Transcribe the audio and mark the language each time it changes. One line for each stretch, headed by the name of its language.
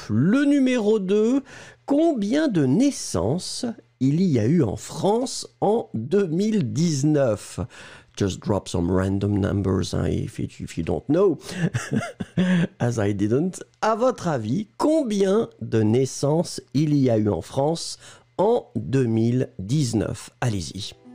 French: Le numéro 2, combien de naissances il y a eu en France en 2019?
English: Just drop some random numbers hein, if you don't know. As I didn't.
French: À votre avis, combien de naissances il y a eu en France en 2019? Allez-y.